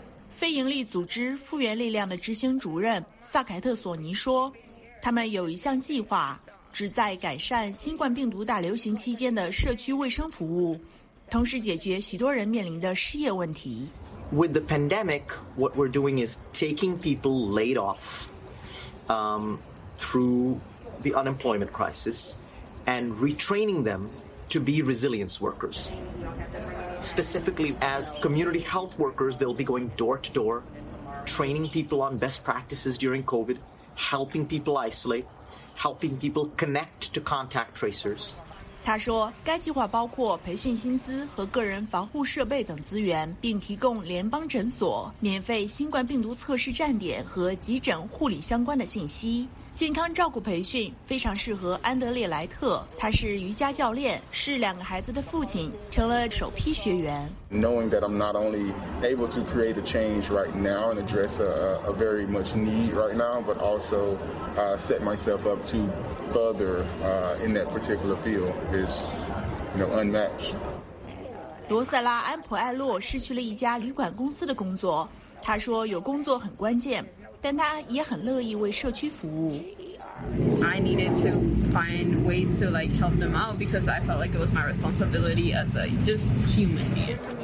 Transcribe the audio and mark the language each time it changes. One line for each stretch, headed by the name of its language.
Chinese: 非营利组织复原力量的执行主任萨凯特索尼说，他们有一项计划旨在改善新冠病毒大流行期间的社区卫生服务，同时解决许多人面临的失业问题。
English: With the pandemic, what we're doing is taking people laid off through the unemployment crisis and retraining them to be resilience workers. Specifically as community health workers, they'll be going door to door, training people on best practices during COVID, helping people isolate, helping people connect to contact tracers.
Chinese: 他说该计划包括培训薪资和个人防护设备等资源，并提供联邦诊所免费新冠病毒测试站点和急诊护理相关的信息。健康照顾培训非常适合安德烈莱特，他是瑜伽教练，是两个孩子的父亲，成了首批学员。
English: Knowing that I'm not only able to create a change right now and address a very much need right now, but also set myself up to further in that particular field is, you know, unmatched.
Chinese: 罗塞拉·安普艾洛失去了一家旅馆公司的工作，他说有工作很关键。但他也很乐意为社区服务。
English: I needed to find ways to like help them out because I felt like it was my responsibility as a just human.